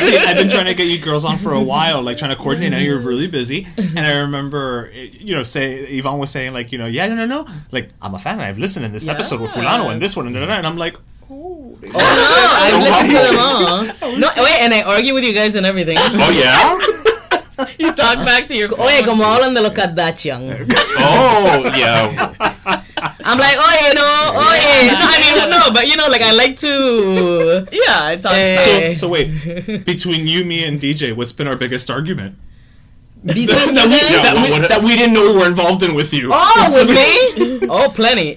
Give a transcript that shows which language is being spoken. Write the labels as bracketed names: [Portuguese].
[English] See, I've been trying to get you girls on for a while, like trying to coordinate. Now you're really busy. And I remember, you know, Yvonne was saying like, you know, no. Like, I'm a fan. I've listened in this episode with Fulano and this one. And I'm like, oh. No, I've listened to them all. And I argue with you guys and everything. Oh, yeah? You talk back to your... [Spanish] Oye, como hablan de los Kardashian. [English] Oh, yeah. I'm like, oh, you know, oh, yeah. I mean, no, but you know, like, I like to. Yeah, I talk. So wait, between you, me, and DJ, what's been our biggest argument? That we didn't know we were involved in with you. Oh, with me? Oh, plenty.